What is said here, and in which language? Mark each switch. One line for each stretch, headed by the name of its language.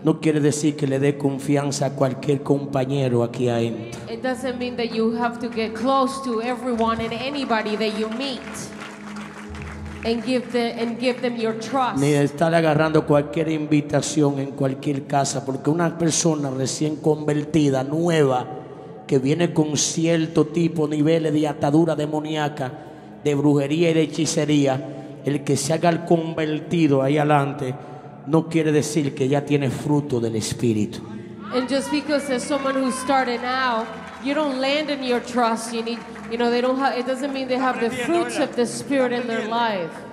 Spanish: No quiere decir que le dé confianza a cualquier compañero aquí adentro.
English: It doesn't mean that you have to get close to everyone and anybody that you meet. And give them your trust.
Spanish: Ni estar agarrando cualquier invitación en cualquier casa, porque una persona recién convertida, nueva, que viene con cierto tipo niveles de atadura demoníaca, de brujería y de hechicería, El que se haga el convertido ahí adelante no quiere decir que ya tiene fruto del Espíritu.
English: And just because there's someone who's starting out, you don't land in your trust. You need, you know, they don't have. It doesn't mean they have the fruits of the Spirit in their life.